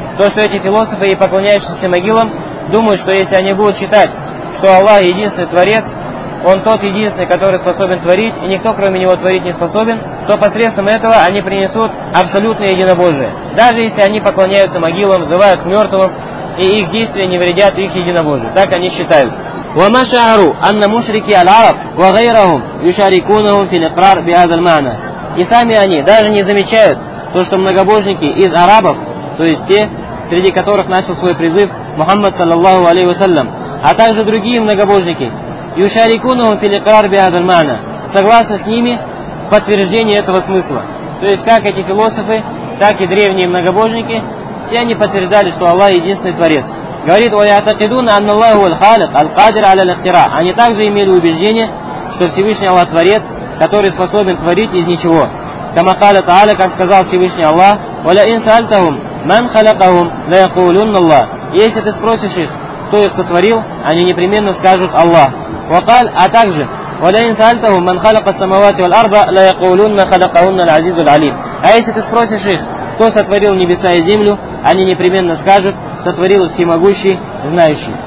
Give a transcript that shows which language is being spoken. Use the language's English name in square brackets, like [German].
[Russian] То, что эти философы и поклоняющиеся могилам думают, что если они будут считать, что Аллах единственный творец, он тот единственный, который способен творить, и никто кроме него творить не способен, то посредством этого они принесут абсолютное единобожие. Даже если они поклоняются могилам, взывают к мертвым, и их действия не вредят их единобожию. Так они считают. [Arabic] وما شعروا أن مشركي العرب وغيرهم يشاركونهم في الإقرار بهذا المعنى. [Russian] И сами они даже не замечают то, что многобожники из арабов, то есть те, среди которых начал свой призыв Мухаммад саллаллаху алейхи ва саллям, а также другие многобожники, [Arabic] يشاركونهم في الإقرار بهذا المعنى, [Russian] согласны с ними в подтверждении этого смысла. То есть как эти философы, так и древние многобожники, все они подтверждали, что Аллах единственный творец. [Arabic] Говорит, وَيَعْتَقِدُونَ أَنَّ اللَّهُ الْخَالِقُ الْقَادِرُ عَلَى الْإِخْتِرَاعِ. [Russian] Они также имели убеждение, что Всевышний Аллах творец, который способен творить из ничего. [Arabic] كَمَا قَالَ تَعَالَى, [Russian] как сказал Всевышний Аллах, [Arabic] وَلَئِنْ سَأَلْتَهُمْ مَنْ خَلَقَهُمْ لَيَقُولُنَّ اللَّهُ. [Russian] Если ты спросишь их, кто их сотворил, они непременно скажут Аллах. وَقَالَ, а также, [Arabic] وَلَئِنْ سَأَلْتَهُمْ مَنْ خَلَقَ السَّمَاوَاتِ وَالْأَرْضَ لَيَقُولُنَّ خَلَقَهُنَّ الْعَزِيزُ الْعَلِيمُ. [Russian] А если ты спросишь их, кто сотворил небеса и землю, они непременно скажут, сотворил всемогущий, знающий.